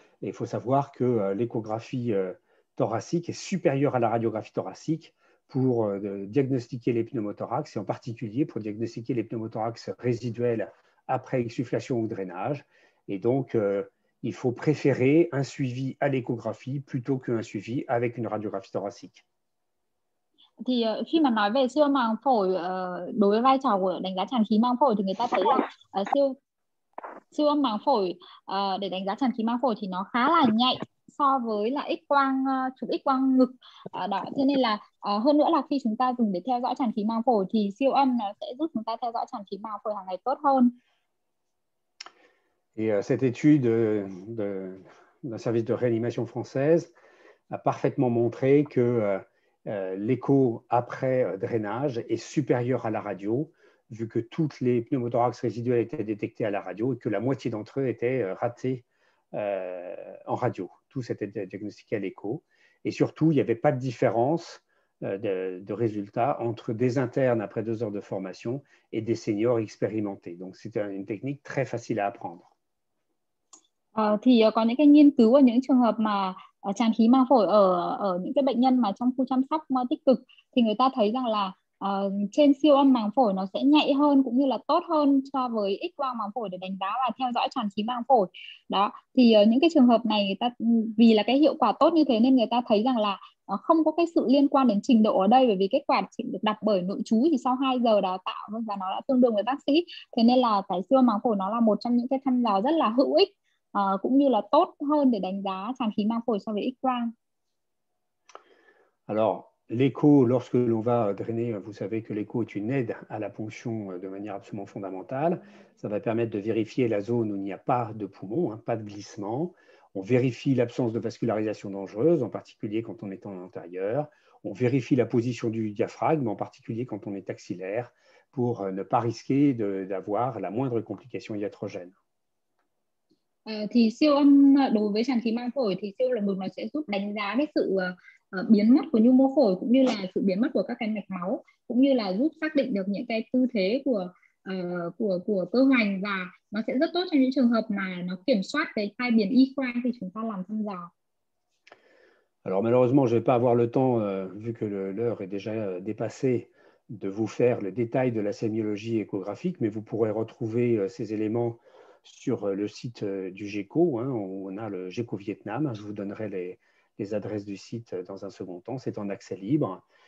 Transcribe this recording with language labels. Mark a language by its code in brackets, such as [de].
[fr] Et il faut savoir que l'échographie thoracique est supérieure à la radiographie thoracique pour diagnostiquer les pneumothorax, et en particulier pour diagnostiquer les pneumothorax résiduels après exsufflation ou drainage. Et donc, il faut préférer un suivi à l'échographie plutôt qu'un suivi avec une radiographie thoracique. [vi] Thì khi mà nói về siêu màng phổi đối với vai trò của đánh giá tràn khí màng phổi thì người ta thấy là siêu âm màng phổi để đánh giá tràn khí màng phổi thì nó khá là nhạy so so với là X quang chụp X quang ngực đó. Thế nên là hơn nữa là khi chúng ta dùng để theo dõi tràn khí màng phổi thì siêu âm nó sẽ giúp chúng ta theo dõi tràn khí màng phổi hàng ngày tốt hơn. [fr] Et cette étude d'un service de réanimation française a parfaitement montré que l'écho après drainage est supérieur à la radio, vu que toutes les pneumothorax résiduels étaient détectés à la radio et que la moitié d'entre eux étaient ratés en radio. Tous étaient diagnostiqués à l'écho. Et surtout, il n'y avait pas de différence de résultats entre des internes après deux heures de formation et des seniors expérimentés. Donc, c'était une technique très facile à apprendre. [vi] Thì có những cái nghiên cứu ở những trường hợp mà tràn khí màng phổi ở ở những cái bệnh nhân mà trong khu chăm sóc tích cực thì người ta thấy rằng là trên siêu âm màng phổi nó sẽ nhạy hơn cũng như là tốt hơn so với X quang màng phổi để đánh giá và theo dõi tràn khí màng phổi. Đó, thì những cái trường hợp này người ta vì là cái hiệu quả tốt như thế nên người ta thấy rằng là không có cái sự liên quan đến trình độ ở đây, bởi vì kết quả được đặt bởi nội trú thì sau 2 giờ đào tạo và nó đã tương đương với bác sĩ. Thế nên là cái siêu âm màng phổi nó là một trong những cái thăm dò rất là hữu ích. Cũng như là tốt hơn để đánh giá tràn khí màng phổi so với X-quang. [fr] Alors, l'écho, lorsque l'on va drainer, vous savez que l'écho est une aide à la ponction de manière absolument fondamentale. Ça va permettre de vérifier la zone où il n'y a pas de poumon, hein, pas de glissement. On vérifie l'absence de vascularisation dangereuse, en particulier quand on est en intérieur. On vérifie la position du diaphragme, en particulier quand on est axillaire, pour ne pas risquer d'avoir la moindre complication iatrogène. [vi] Thì siêu âm đối với tràn khí màng phổi thì siêu lồng ngực nó sẽ giúp đánh giá cái sự biến mất của nhu mô phổi cũng như là sự biến mất của các cái mạch máu cũng như là giúp xác định được những cái tư thế của cơ hoành và nó sẽ rất tốt trong những trường hợp mà nó kiểm soát cái tai biến y khoa thì chúng ta làm thăm dò. [fr] Alors malheureusement je vais pas avoir le temps vu que l'heure est déjà dépassée de vous faire le détail de la sémiologie échographique, mais vous pourrez retrouver ces éléments sur le site du GECO, hein, on a le GECO Vietnam. Je vous donnerai les adresses du site dans un second temps. C'est en accès libre.